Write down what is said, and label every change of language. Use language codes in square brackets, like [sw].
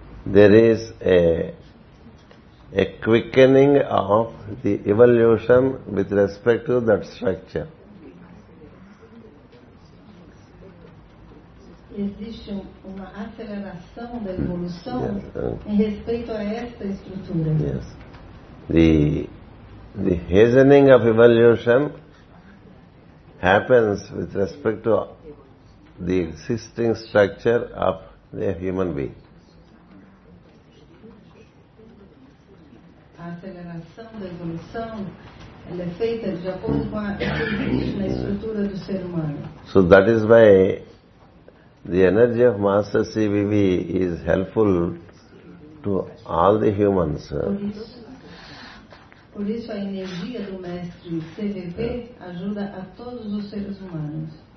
[en] There is a quickening of the evolution with respect to that structure. [pt] Existe uma aceleração da evolução em respeito a esta estrutura. [en] Yes. The hastening of evolution happens with respect to the existing structure of the human being. [pt] A aceleração da evolução ela é feita de acordo com a estrutura do ser humano. [en] So that is why the energy of Master CVV is helpful to all the humans. [pt] Por isso a energia do mestre CVV ajuda a todos os seres humanos.